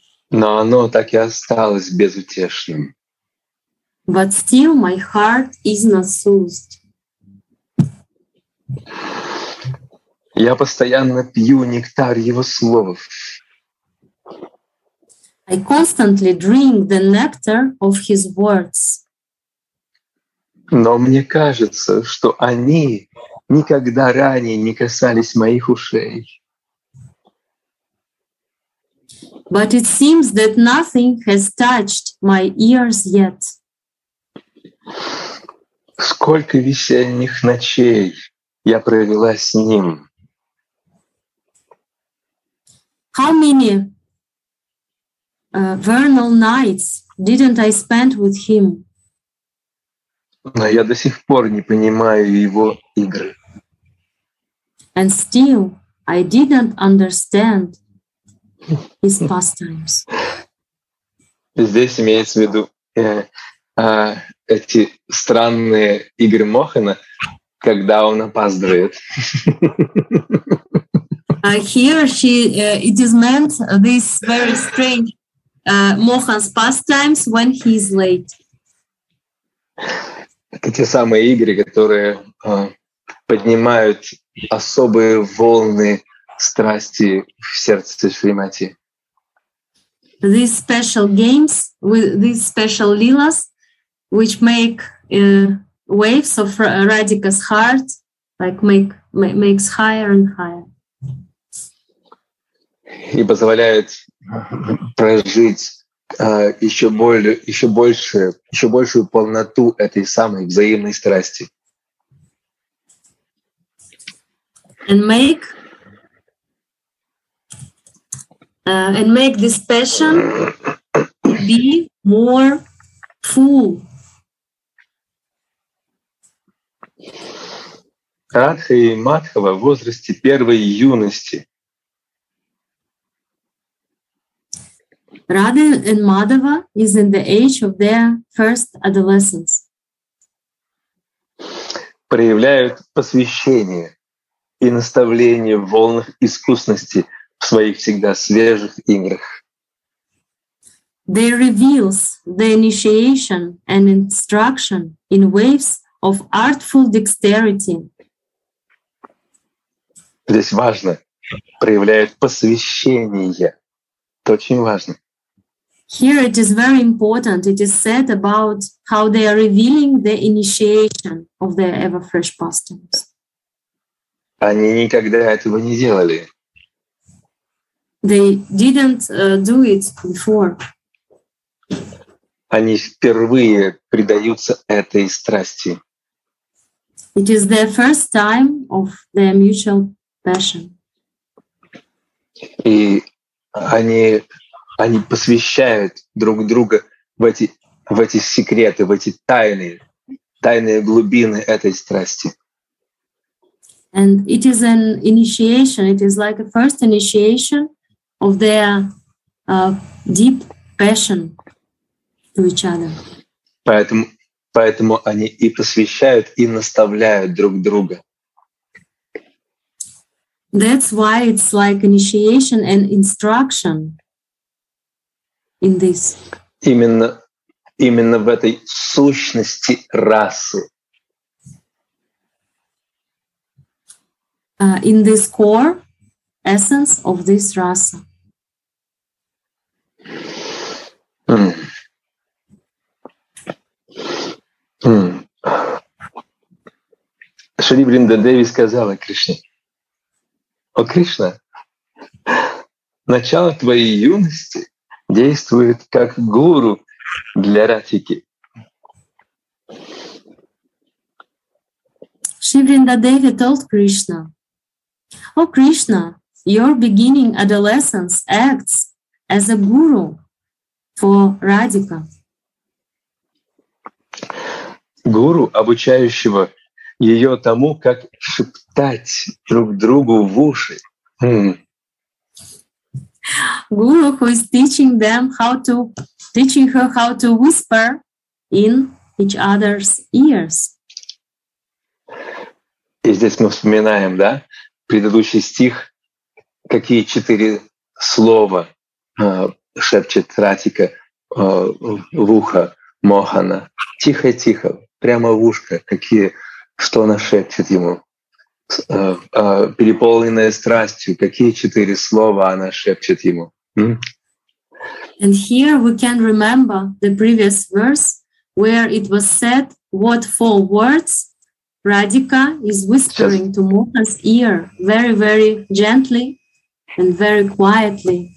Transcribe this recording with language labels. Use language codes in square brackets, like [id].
[ru] Но оно так и осталось безутешным. [en] But still my heart is not soothed. [ru] Я постоянно пью нектар его слов. [en] I constantly drink the nectar of his words. [ru] Но мне кажется, что они никогда ранее не касались моих ушей. [en] But it seems that nothing has touched my ears yet. [ru] Сколько весенних ночей я провела с ним. [en] How many vernal nights didn't I spend with him? [ru] Но я до сих пор не понимаю его игры. [en] And still I didn't understand his pastimes. [ru] Здесь имеется в виду эти странные игры Мохана, когда он опаздывает. [en] Here she it is meant this very strange Mohan's pastimes when he is late. [ru] Это те самые игры, которые поднимают особые волны страсти в сердце Шримати. [en] These special games, with these special lilas, which make waves of Radhika's heart, like makes higher and higher. [ru] И позволяет прожить еще большую полноту этой самой взаимной страсти. [en] And make this passion be more full. [ru] Радха и Мадхава в возрасте первой юности. [en] Radha and Madhava is in the age of their first adolescence. [ru] Проявляют посвящение и наставление в волнах искусности в своих всегда свежих играх. [en] They reveals the initiation and instruction in waves of artful dexterity. [ru] Здесь важно, проявляет посвящение. Это очень важно. [en] Here it is very important. It is said about how they are revealing the initiation of their ever fresh pastimes. [ru] Они никогда этого не делали. [en] They didn't do it before. [ru] Они впервые предаются этой страсти. [en] It is their first time of their mutual passion. [ru] И они посвящают друг друга в эти секреты, в эти тайные глубины этой страсти. [en] And it is an initiation. It is like a first initiation of their deep passion to each other. [ru] Поэтому они и посвящают, и наставляют друг друга. [en] That's why it's like initiation and instruction in this. [ru] Именно в этой сущности расы. [en] In this core essence of this rasa. [ru] Шри Вриндадеви сказала Кришне. О, Кришна, начало твоей юности действует как гуру для Радхики. [en] Шивринда Деви told Krishna, О, Кришна, your beginning adolescence acts as a guru for Radhika. [ru] Гуру, обучающего ее тому, как шептать друг другу в уши. [en] Guru, who is teaching them how to, teaching her how to whisper in each other's ears. [ru] И здесь мы вспоминаем, да, предыдущий стих, какие четыре слова шепчет Радхика в ухо Мохана. Тихо-тихо, прямо в ушко, какие, что она шепчет ему. Переполненная страстью, какие четыре слова она шепчет ему. [en] And here we can remember the previous verse, where it was said, what four words Radhika is whispering to Mohan's ear very, very gently and very quietly.